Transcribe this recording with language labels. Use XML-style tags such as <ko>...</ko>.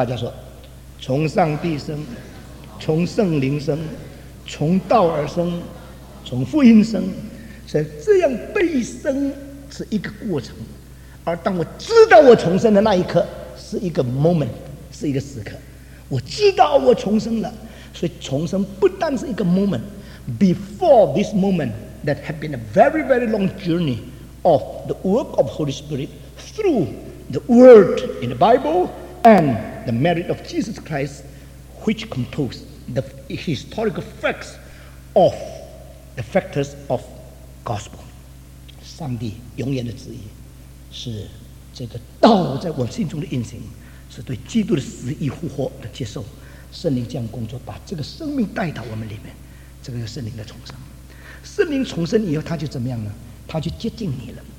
<zh>大家说，从上帝生、从圣灵生、从道而生、从福音生。所以这样被生是一个过程，而当我知道我重生的那一刻，是一个 moment， 是一个时刻。我知道我重生了，所以重生不但是一个 moment。</zh> <en>Before this moment, that had been a very, very long journey of the work of Holy Spirit through the Word in the Bible and the merit of Jesus Christ, which composed the historical facts of the factors of gospel.</en> <zh>上帝永远的旨意是这个道在我心中的运行，是对基督的死与复活的接受，圣灵这样工作，把这个生命带到我们里面。这个是圣灵的重生，圣灵重生以后，他就怎么样呢？他就接近你了。</zh>